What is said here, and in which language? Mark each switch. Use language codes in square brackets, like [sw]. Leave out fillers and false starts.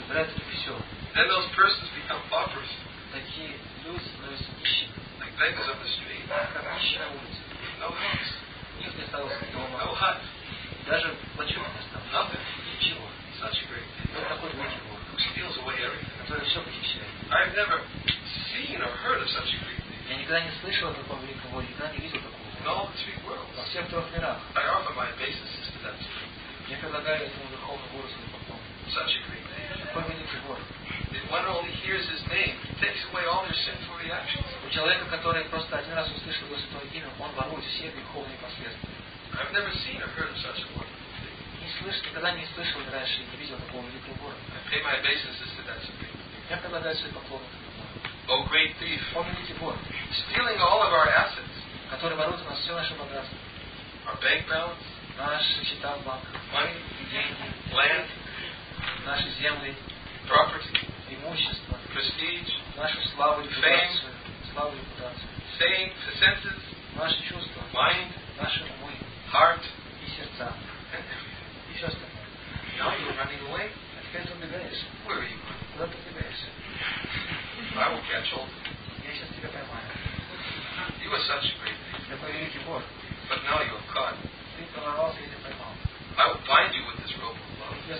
[en] Then those persons become paupers, like beggars on the street, no house, no hut, nothing, such a great thing, who steals away everything. I've never seen or heard of such a great thing. [ru] Я никогда не слышал о таком великом воле, никогда не видел такого. [en] In all the three worlds. [ru] Во всех трех мирах. [en] I offer my obeisances to that. [ru] Я предлагаю этому верховному гуру свой поклон. [en] Such a great name. If one only hears his name, he takes away all their sinful reactions. [ru] У человека, который просто один раз услышал его святое имя, он ворует все духовные последствия. [en] I've never seen or heard of such a word. [ru] Не слышал, никогда не слышал раньше, не видел такого великого гуру. [en] I pay my obeisances to that. [ru] Я предлагаю свой поклон. [en] О, great thief, [ru] он великий вор, [en] stealing all of our assets, [ru] который ворует у нас все наше богатство, [en] our bank balance, [ru] наши счета в банках, [en] money, [ru] деньги, [en] land, [ru] наши земли, [en] property, [ru] имущество, [en] prestige, [ru] нашу славу и репутацию, [en] fame, [ru] славу и репутацию, [en] fame, senses, [ru] наши чувства, [en] mind, [ru] наши умы, [en] heart, [ru] и сердца, и все остальное. [en] Now you're running away. Where are you? I will catch hold of you. You are such a great thief. But now you are caught. I will bind you with this rope of love.